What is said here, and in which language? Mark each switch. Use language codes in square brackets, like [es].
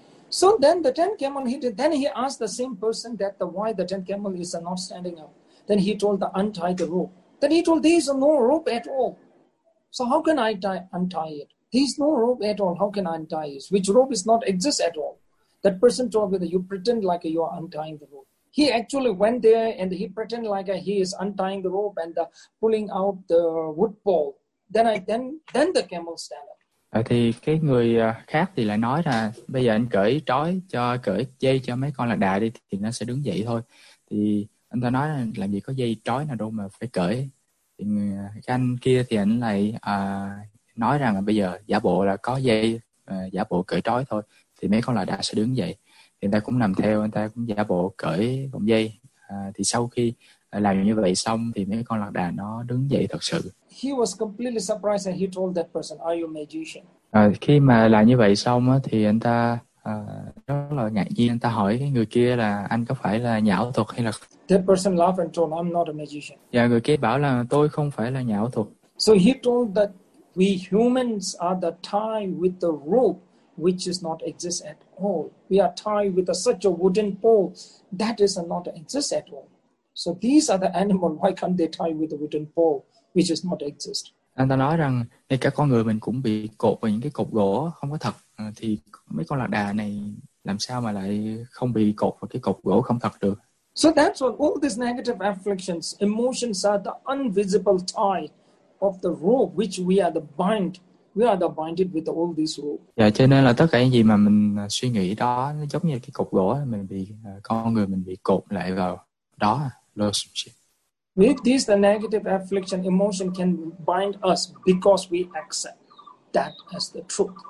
[en] So then the 10th camel, he asked the same person that why the 10th camel is not standing up. Then he told the untie the rope. Then he told, there is no rope at all. So how can I untie it? There is no rope at all. How can I untie it? Which rope is not exist at all? That person told me that you pretend like you are untying the rope. He actually went there and he pretend like he is untying the rope and pulling out the wood pole. Then the camel stand up. [vi] Thì cái người khác thì lại nói là bây giờ anh cởi trói cho cởi dây cho mấy con lạc đà đi thì nó sẽ đứng dậy thôi. Thì anh ta nói là làm gì có dây trói nào đâu mà phải cởi. Thì anh kia thì anh lại nói rằng là bây giờ giả bộ là có dây giả bộ cởi trói thôi thì mấy con lạc đà sẽ đứng dậy. Thì anh ta cũng làm theo, anh ta cũng giả bộ cởi vòng dây. Thì sau khi làm như vậy xong thì mấy con lạc đà nó đứng dậy thật sự. [en] He was completely surprised and he told that person, "Are you a magician?" [vi] Khi mà làm như vậy xong á, thì anh ta rất là ngạc nhiên, anh ta hỏi cái người kia là anh có phải là nhà ảo thuật hay là. [en] That person laughed and told, "I'm not a magician." [vi] Dạ, người kia bảo là tôi không phải là nhà ảo thuật. [en] So he told that we humans are the tie with the rope which is not exist at all. We are tied with such a wooden pole that is not exist at all. So these are the animal. Why can't they tie with a wooden pole? Which does not exist. [vi] Anh ta nói rằng ngay cả con người mình cũng bị cột vào những cái cột gỗ không có thật thì mấy con lạc đà này làm sao mà lại không bị cột vào cái cột gỗ không thật được. [en] So that's what all these negative afflictions, emotions are the invisible tie of the rope which we are the bind. We are the binded with all these rules. [vi] Dạ, cho nên là tất cả những gì mà mình suy nghĩ đó nó giống như cái cục gỗ mình bị con người mình bị cột lại vào đó. [en] With this, the negative affliction emotion can bind us because we accept that as the truth.